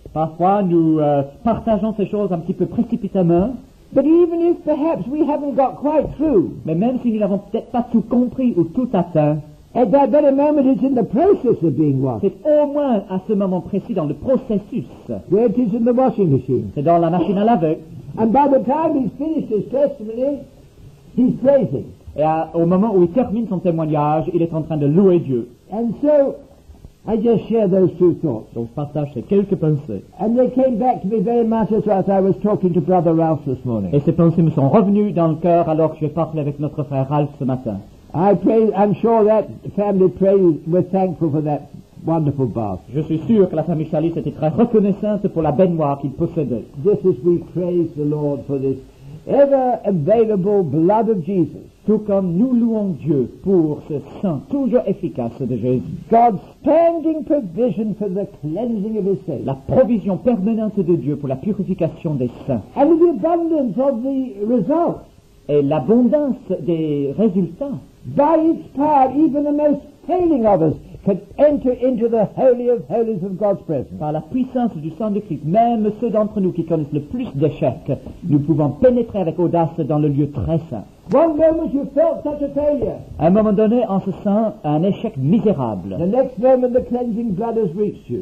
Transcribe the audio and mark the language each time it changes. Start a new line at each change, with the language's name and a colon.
French: Parfois nous partageons ces choses un petit peu précipitamment.
English: But even if perhaps we haven't got quite through.
French: Mais même si nous n'avons peut-être pas tout compris ou tout atteint.
English: At that very moment, it's in the process of being washed.
French: C'est au moins à ce moment précis dans le processus.
English: Where it is in the washing machine.
French: C'est dans la machine à laver.
English: And by the time he's finished his testimony, he's praising.
French: Et au moment où il termine son témoignage, il est en train de louer Dieu.
English: And so, I just share those two thoughts.
French: Donc je partage ces quelques pensées.
English: And they came back to me very much as I was talking to Brother Ralph this morning.
French: Et ces pensées me sont revenues dans le cœur alors que je parlais avec notre frère Ralph ce matin.
English: I'm sure that family prayed, were thankful for that wonderful bath.
French: Je suis sûr que la famille Chalice était très reconnaissante pour la baignoire qu'il possédait.
English: This is we praise the Lord for this ever available blood of Jesus.
French: Tout comme nous louons Dieu pour ce sang toujours efficace de Jésus.
English: God's standing provision for the cleansing of his saints.
French: La provision permanente de Dieu pour la purification des saints.
English: And the abundance of the results.
French: Et l'abondance des résultats.
English: By its power, even the most failing of us can enter into the holy of holies of God's presence.
French: Par la puissance du sang de Christ, même ceux d'entre nous qui connaissent le plus d'échecs, nous pouvons pénétrer avec audace dans le lieu très saint.
English: One moment you felt such a failure.
French: À un moment donné, en se sent un échec misérable.
English: The next moment the cleansing blood has reached you.